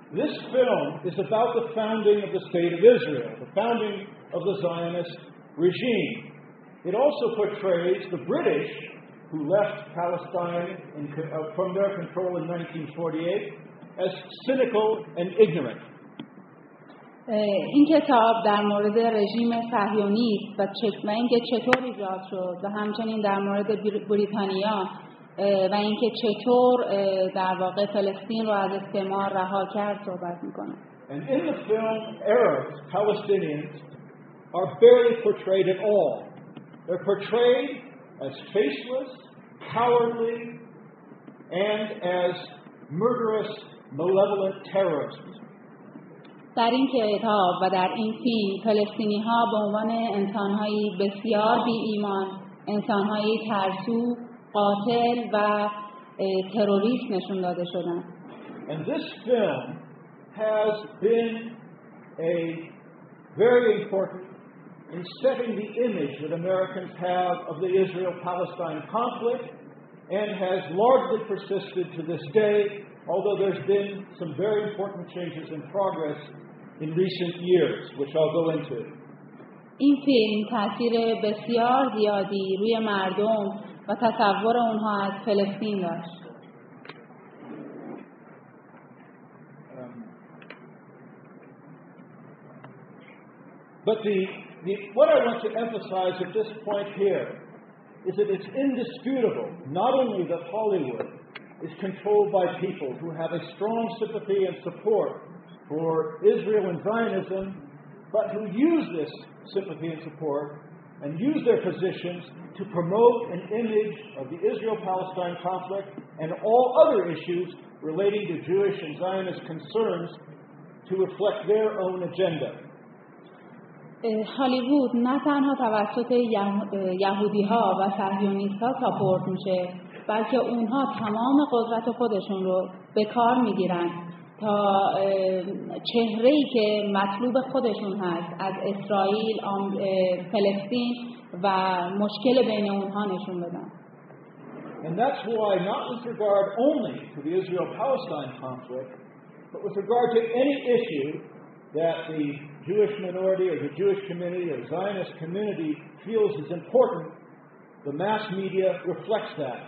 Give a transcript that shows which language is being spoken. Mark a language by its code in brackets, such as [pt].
[en] This film is about the founding of the state of Israel, the founding of the Zionist regime. It also portrays the British who left Palestine from their control in 1948 as cynical and ignorant. [fa] این کتاب در مورد رژیم صهیونیست و اینکه چطور ایجاد شد و همچنین در مورد بریتانیا و اینکه چطور در واقع فلسطین رو از استعمار رها کرد صحبت میکنه. [en] And in the film, Arabs, Palestinians, are barely portrayed at all. They're portrayed as faceless, cowardly, and as murderous, malevolent terrorists. [fa] در این کتاب و در این فیلم فلسطینی‌ها به عنوان انسان‌های بسیار بی ایمان، انسان‌های ترسو، قاتل و تروریست نشون داده شدند. [en] And this film has been a very important in setting the image that Americans have of the Israel-Palestine conflict and has largely persisted to this day, although there's been some very important changes in progress in recent years, which I'll go into. [fa] این فیلم تاثیر بسیار زیادی روی مردم و تصور اونها از فلسطین داشت. [en] But the what I want to emphasize at this point here is that it's indisputable not only that Hollywood is controlled by people who have a strong sympathy and support for Israel and Zionism, but who use this sympathy and support and use their positions to promote an image of the Israel-Palestine conflict and all other issues relating to Jewish and Zionist concerns to reflect their own agenda. [fa] هالیوود نه تنها توسط یهودی‌ها و صهیونیست‌ها ساپورت میشه، بلکه اونها تمام قدرت خودشون رو به کار میگیرن تا چهره‌ای که مطلوب خودشون هست از اسرائیل، فلسطین و مشکل بین اونها نشون بدن. [en] And that's why not with regard only to the Israel-Palestine conflict, but with regard to any issue that the Jewish minority or the Jewish community or Zionist community feels is important, the mass media reflects that.